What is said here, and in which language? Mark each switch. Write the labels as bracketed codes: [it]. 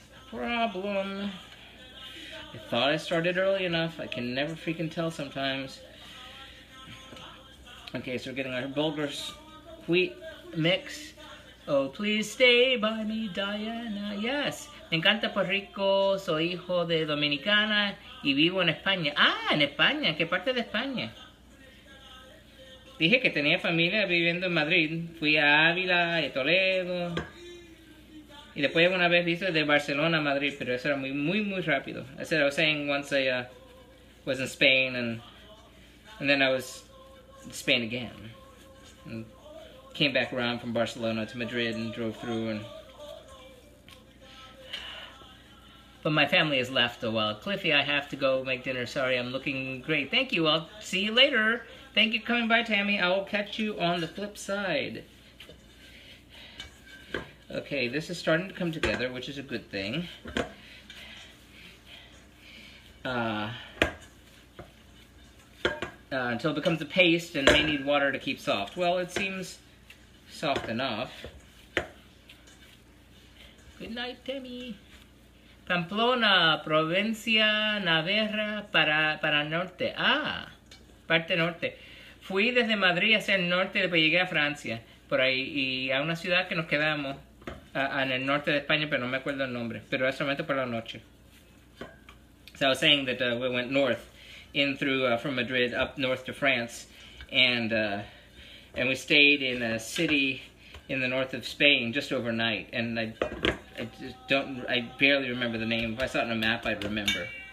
[en] Problem. I thought I started early enough. I can never freaking tell sometimes. Okay, so we're getting our bulgur wheat mix. Oh, please stay by me, Diana. Yes. [es] Me encanta Puerto Rico. Soy hijo de Dominicana y vivo en España. Ah, en España. ¿Qué parte de España? Dije que tenía familia viviendo en Madrid. Fui a Ávila y Toledo. Y después una vez visto de Barcelona a Madrid, pero eso era muy, muy, muy rápido. [en] I said, I was saying once I was in Spain and then I was in Spain again. And came back around from Barcelona to Madrid and drove through and... But my family has left a while. Cliffy, I have to go make dinner. Sorry, I'm looking great. Thank you. I'll see you later. Thank you for coming by, Tammy. I will catch you on the flip side. Okay, this is starting to come together, which is a good thing. Until it becomes a paste and may need water to keep soft. Well, it seems soft enough. Good night, Tammy. [es] Pamplona, Provincia, Navarra, para Norte. Ah, parte Norte. Fui desde Madrid hacia el norte, después llegué a Francia, por ahí, y a una ciudad que nos quedamos en el norte de España, pero no me acuerdo el nombre, pero es solamente por la noche. [en] So I was saying that we went north, in through, from Madrid up north to France, and we stayed in a city in the north of Spain just overnight, and I barely remember the name. If I saw it on a map, I'd remember.